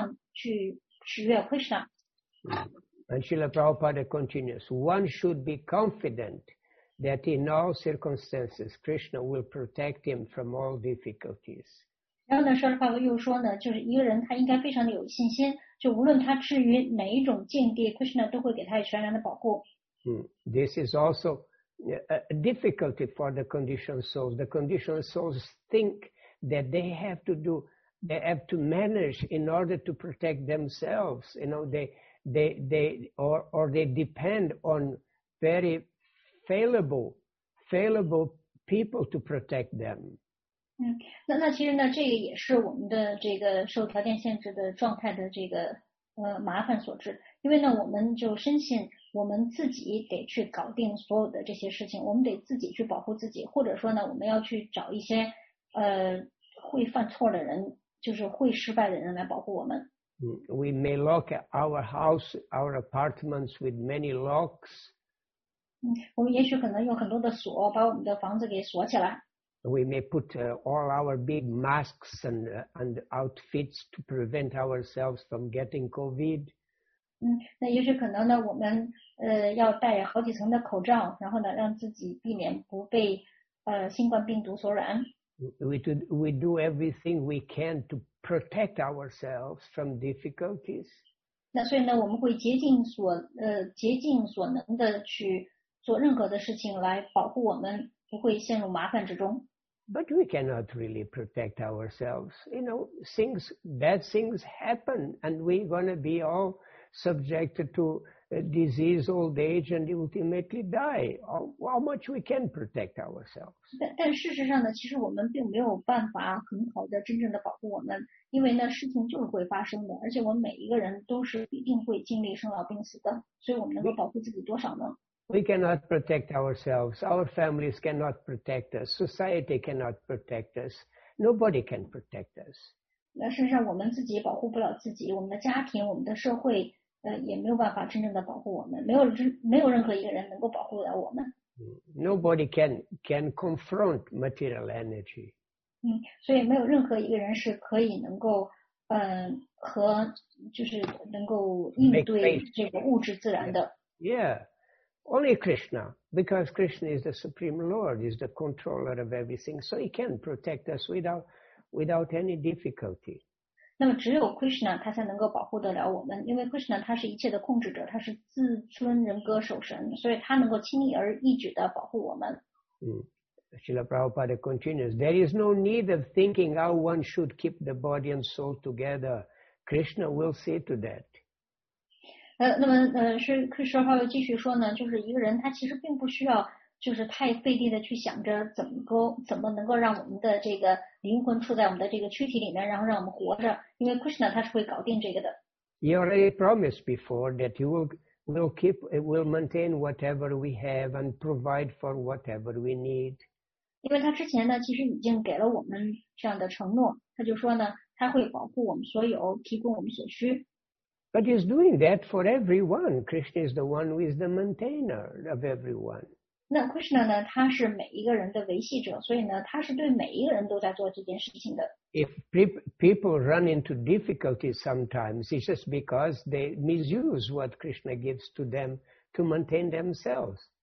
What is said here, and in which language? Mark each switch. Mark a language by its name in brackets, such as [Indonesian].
[Chinese] 因为我们知道，就是我们自我的这些欲望呢，使我们非常的苦痛。那现在呢，我们就要把我们的这些个人的这些愿望要转向去取悦Krishna。 [English] And Srila Prabhupada continues, one should be confident that in all circumstances, Krishna will protect him from all difficulties. [Chinese] 然后呢，舍利弗又说呢，就是一个人他应该非常的有信心，就无论他置于哪一种境地， Krishna 都会给他全然的保护。 [English] This is also a difficulty for the conditioned souls. The conditioned souls think that they have to manage in order to protect themselves. You know, they depend on very fallible people to protect them. [Chinese] 那其实呢，这个也是我们的这个受条件限制的状态的这个麻烦所致。因为呢，我们就深信我们自己得去搞定所有的这些事情，我们得自己去保护自己，或者说呢，我们要去找一些会犯错的人，就是会失败的人来保护我们。 [English] We may lock our house, our apartments with many locks. [Chinese] 我们也许可能用很多的锁把我们的房子给锁起来。 [English] We may put all our big masks and outfits to prevent ourselves from getting COVID. [Chinese] 那也许可能呢，我们要戴好几层的口罩，然后呢，让自己避免不被新冠病毒所染。 [English] We do everything we can to protect ourselves from difficulties. [Chinese] 那所以呢，我们会竭尽所能的去做任何的事情来保护我们。不会陷入麻烦之中。 [English] But we cannot really protect ourselves. You know, things, bad things happen, and we're going to be all subjected to disease, old age, and ultimately die. How much we can protect ourselves? [Chinese] 但事实上呢，其实我们并没有办法很好的真正的保护我们，因为呢，事情就是会发生的，而且我们每一个人都是一定会经历生老病死的，所以我们能够保护自己多少呢？ [English] We cannot protect ourselves. Our families cannot protect us. Society cannot protect us. Nobody can protect us. [Chinese] 那事实上，我们自己保护不了自己，我们的家庭，我们的社会，也没有办法真正的保护我们。没有任何一个人能够保护了我们。 [English] Nobody can confront material energy. [Chinese] 所以没有任何一个人是可以能够，和就是能够应对这个物质自然的。 [English] Yeah. Only Krishna, because Krishna is the Supreme Lord, is the controller of everything, so he can protect us without any difficulty. [Chinese] 那么只有 Krishna 他才能够保护得了我们，因为 Krishna 他是一切的控制者，他是自尊人格守神，所以他能够轻易而易举地保护我们。 [English] Srila Prabhupada continues, there is no need of thinking how one should keep the body and soul together. Krishna will see to that. [Chinese] 那么是克什哈又继续说呢，就是一个人他其实并不需要就是太费力的去想着怎么能够让我们的这个灵魂处在我们的这个躯体里面，然后让我们活着，因为克什呢他是会搞定这个的。 [English] He already promised before that he will keep, will maintain whatever we have and provide for whatever we need. [Chinese] 因为他之前呢其实已经给了我们这样的承诺，他就说呢他会保护我们所有，提供我们所需。 [English] But he's doing that for everyone. Krishna is the one who is the maintainer of everyone. [Chinese] 那 Krishna 呢，他是每一个人的维系者，所以呢，他是对每一个人都在做这件事情的。 [English] If people run into difficulties sometimes, it's just because they misuse what Krishna gives to them to maintain themselves.